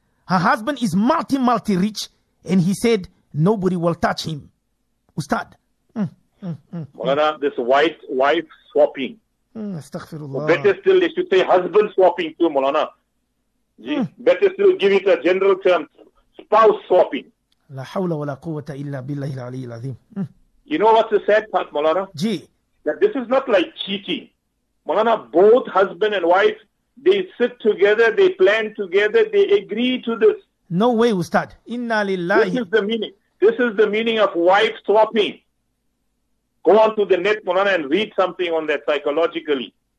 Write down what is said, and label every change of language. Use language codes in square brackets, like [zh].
[en] Her husband is multi rich, and he said nobody will touch him. Ustad. Mawlana, this wife swapping. Astaghfirullah. Better still, they should say husband swapping too, Mawlana. Better still, give it a general term, spouse swapping. [ar] لا حول ولا قوة إلا بالله العلي العظيم. [en] You know what's the sad part, Mawlana? Gee. That this is not like cheating. Mawlana, both husband and wife, they sit together, they plan together, they agree to this. No way, Ustad. Inna lillahi. This is the meaning. This is the meaning of wife swapping. Go on to the net, Mawlana, and read something on that psychologically.